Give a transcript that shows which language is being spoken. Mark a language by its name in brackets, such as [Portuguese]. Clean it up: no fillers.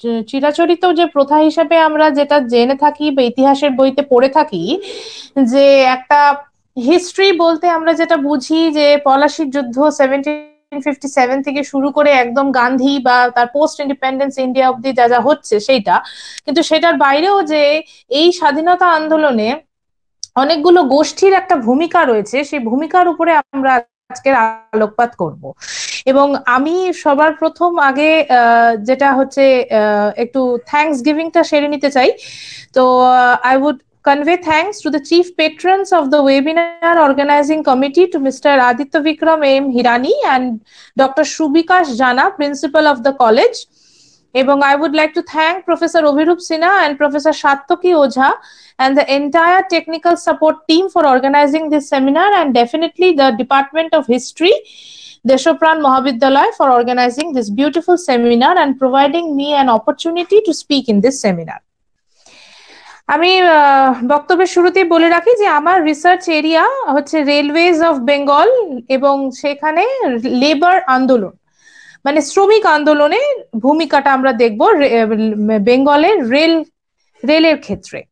[Bangla] চিরাচরিত যে প্রথা হিসেবে আমরা যেটা জেনে থাকি বা ইতিহাসের বইতে পড়ে থাকি, যে একটা হিস্ট্রি বলতে আমরা যেটা বুঝি যে পলাশির যুদ্ধ 1757 থেকে শুরু করে একদম গান্ধী বা তার পোস্ট ইন্ডিপেন্ডেন্স ইন্ডিয়া অবধি যা যা হচ্ছে সেইটা, কিন্তু সেটার বাইরেও যে এই স্বাধীনতা আন্দোলনে অনেকগুলো গোষ্ঠীর একটা ভূমিকা রয়েছে, সেই ভূমিকার উপরে আমরা আজকের আলোকপাত করব। এবং আমি সবার প্রথম আগে যেটা হচ্ছে একটু থ্যাংকস গিভিংটা সেরে নিতে চাই। [English] তো I would convey thanks to the chief patrons of the webinar organizing committee, to Mr. Aditya Vikram M. Hirani and Dr. Shubikash Jana, principal of the college. Ebong I would like to thank Professor Obhirup Sinha and Professor Shatoki Ojha and the entire technical support team for organizing this seminar, and definitely the Department of History, Deshopran Mahavidyalaya, for organizing this beautiful seminar and providing me an opportunity to speak in this seminar. [Bangla] আমি বক্তব্যের শুরুতেই বলে রাখি যে আমার research area হচ্ছে railways of Bengal এবং সেখানে লেবার আন্দোলন, মানে শ্রমিক আন্দোলনের ভূমিকাটা আমরা দেখব বেঙ্গলের রেলের ক্ষেত্রে।